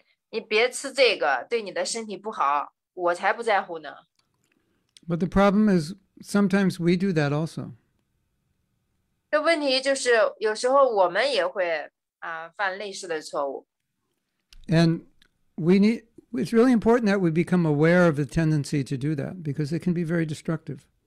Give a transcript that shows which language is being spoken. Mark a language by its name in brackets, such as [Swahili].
[Chinese] 你别吃这个，对你的身体不好，我才不在乎呢。But [English] the problem is, sometimes we do that also. [Chinese] 这问题就是有时候我们也会犯类似的错误。And [English] it's really important that we become aware of the tendency to do that because it can be very destructive.